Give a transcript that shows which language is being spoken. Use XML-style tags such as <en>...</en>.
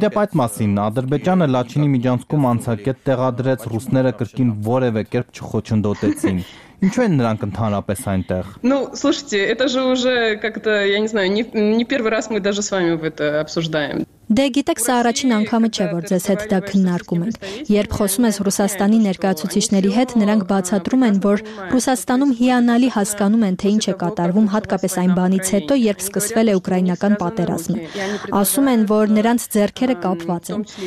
<hy>դեպ այդ մասին, Ադրբեջանը Լաչինի միջանցքում անցակետ տեղադրեց, ռուսները կրկին որևէ կերպ չխոչընդոտեցին։ Ինչու են նրանք ընդհանրապես այնտեղ։</hy> <ru>Ну, слушайте, это же уже как-то, я не знаю, не первый раз мы даже с вами в это обсуждаем.</ru> <hy>Դե գիտեք, սա առաջին անգամը չէ, որ ձեզ հետ դա քննարկում ենք։ Երբ խոսում ես Ռուսաստանի ներկայացուցիչների հետ, նրանք բացատրում են, որ Ռուսաստանում հիանալի հասկանում են, թե ինչ է կատարվում, հատկապես այն բանից հետո, երբ սկսվել է ուկրաինական պատերազմը։ Ասում են, որ նրանց ձեռքերը կապված են,</hy>